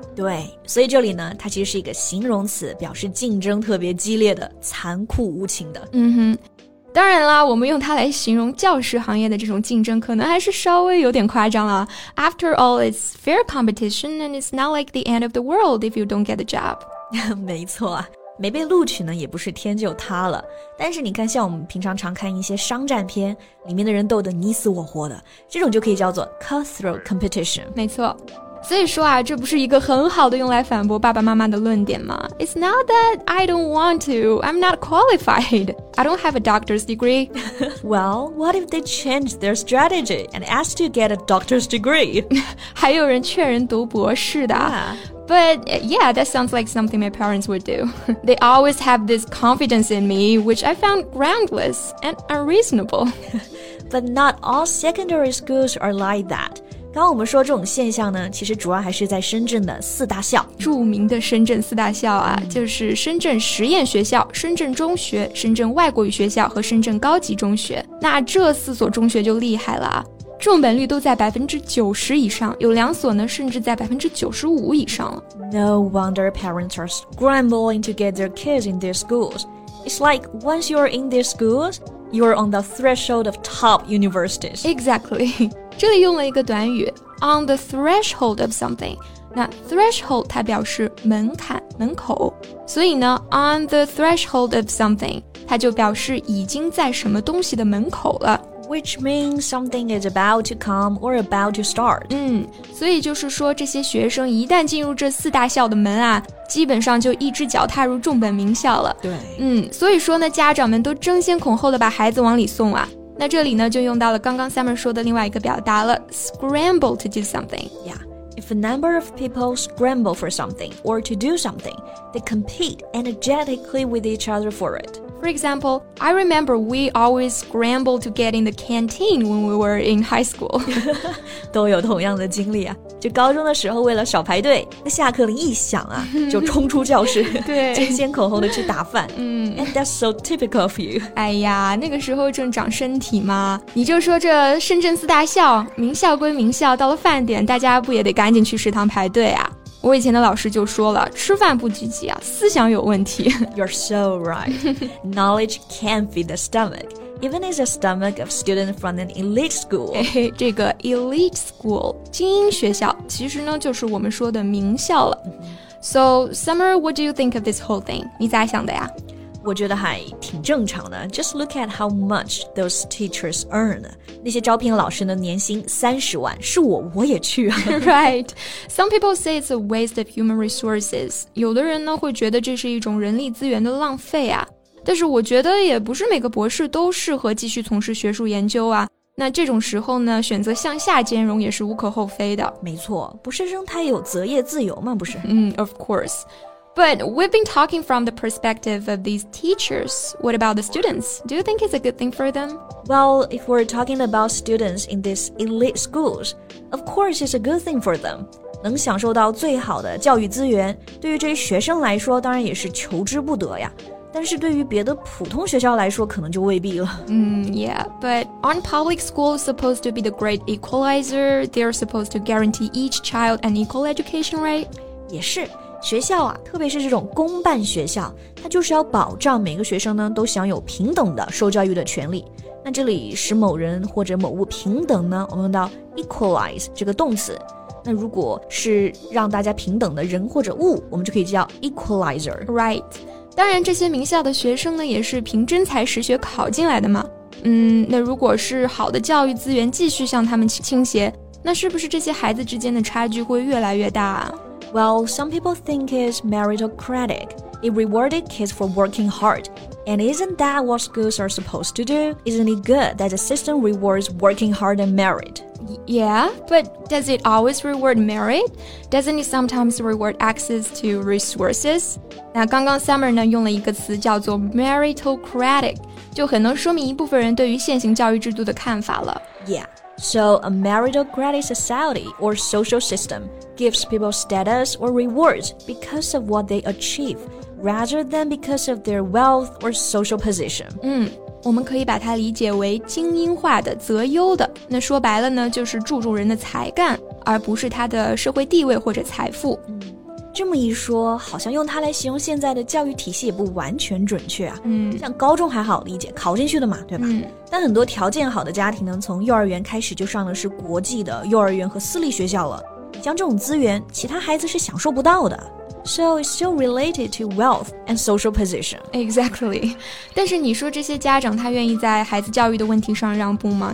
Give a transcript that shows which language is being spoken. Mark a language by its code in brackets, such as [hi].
[zh] 对，所以这里呢，它其实是一个形容词，表示竞争特别激烈的、残酷无情的。当然啦，我们用它来形容教师行业的这种竞争可能还是稍微有点夸张了。 [en] After all, it's fair competition and it's not like the end of the world if you don't get the job. [zh] 没错，没被录取呢也不是天就塌了。但是你看，像我们平常常看一些商战片，里面的人斗得你死我活的，这种就可以叫做 [en] cutthroat competition. [zh] 没错，所以说啊，这不是一个很好的用来反驳爸爸妈妈的论点吗？ [en] It's not that I don't want to. I'm not qualified. I don't have a doctor's degree. Well, what if they changed their strategy and asked you to get a doctor's degree? [zh] 还有人劝人读博士的。 [en] Yeah. But yeah, that sounds like something my parents would do. They always have this confidence in me, which I found groundless and unreasonable. But not all secondary schools are like that. [zh] 刚我们说这种现象呢，其实主要还是在深圳的四大校，著名的深圳四大校啊，就是深圳实验学校、深圳中学、深圳外国语学校和深圳高级中学。那这四所中学就厉害了啊，重本率都在 90% 以上，有两所呢甚至在 95% 以上了。 [en] No wonder parents are scrambling to get their kids in their schools. It's like once you're in their schools, you're on the threshold of top universities. Exactly. [zh] 这里用了一个短语 [en] on the threshold of something. [zh] 那 threshold 它表示门槛、门口，所以呢 [en] on the threshold of something [zh] 它就表示已经在什么东西的门口了， [en] which means something is about to come or about to start. [zh] 所以就是说这些学生一旦进入这四大校的门啊，基本上就一只脚踏入重本名校了。对，所以说呢，家长们都争先恐后的把孩子往里送啊。那这里呢就用到了刚刚 Summer 说的另外一个表达了 [en] scramble to do something. Yeah, if a number of people scramble for something or to do something, they compete energetically with each other for it. For example, I remember we always scrambled to get in the canteen when we were in high school. [zh] 都有同样的经历啊。就高中的时候为了少排队，那下课铃一响啊，就冲出教室，争先恐后的去打饭。 [en] And that's so typical of you. [zh] 哎呀，那个时候正长身体嘛。你就说这深圳四大校，名校归名校，到了饭点，大家不也得赶紧去食堂排队啊。我以前的老师就说了，吃饭不积极啊，思想有问题。 [en] You're so right. Knowledge can't feed the stomach. Even it's the stomach of students from an elite school. [zh] 这个 elite school, 精英学校，其实呢就是我们说的名校了。 [en] So, Summer, what do you think of this whole thing? [zh] 你咋想的呀？我觉得还挺正常的。 [en] Just look at how much those teachers earn. [zh] 那些招聘老师的年薪300,000，是我也去啊。 [en] Right. Some people say it's a waste of human resources. [zh] 有的人呢会觉得这是一种人力资源的浪费啊。但是我觉得也不是每个博士都适合继续从事学术研究啊。那这种时候呢，选择向下兼容也是无可厚非的。没错，博士生他有择业自由吗？不是。 [en] Of course. But we've been talking from the perspective of these teachers. What about the students? Do you think it's a good thing for them? Well, if we're talking about students in these elite schools, of course it's a good thing for them. [zh] 能享受到最好的教育资源，对于这些学生来说当然也是求之不得呀。但是对于别的普通学校来说可能就未必了。 [en] Yeah, but aren't public schools supposed to be the great equalizer? They're supposed to guarantee each child an equal education, right? [zh] 也是。学校啊，特别是这种公办学校，它就是要保障每个学生呢都享有平等的受教育的权利。那这里使某人或者某物平等呢，我们用到 equalize 这个动词。那如果是让大家平等的人或者物，我们就可以叫 equalizer。 Right. 当然，这些名校的学生呢，也是凭真才实学考进来的嘛。那如果是好的教育资源继续向他们倾斜，那是不是这些孩子之间的差距会越来越大啊？ [en] Well, some people think it's meritocratic. It rewarded kids for working hard. And isn't that what schools are supposed to do? Isn't it good that the system rewards working hard and merit? Yeah, but does it always reward merit? Doesn't it sometimes reward access to resources? [zh] 那刚刚 Summer 呢用了一个词叫做 meritocratic, 就很能说明一部分人对于现行教育制度的看法了。 [en] Yeah. So, a meritocratic society or social system gives people status or rewards because of what they achieve, rather than because of their wealth or social position. [zh] 我们可以把它理解为精英化的、择优的。那说白了呢，就是注重人的才干，而不是他的社会地位或者财富。这么一说，好像用它来形容现在的教育体系也不完全准确啊。像高中还好理解，考进去的嘛，对吧？但很多条件好的家庭呢，从幼儿园开始就上的是国际的幼儿园和私立学校了。像这种资源，其他孩子是享受不到的。 [en] So it's still related to wealth and social position. Exactly. [zh] 但是你说这些家长他愿意在孩子教育的问题上让步吗？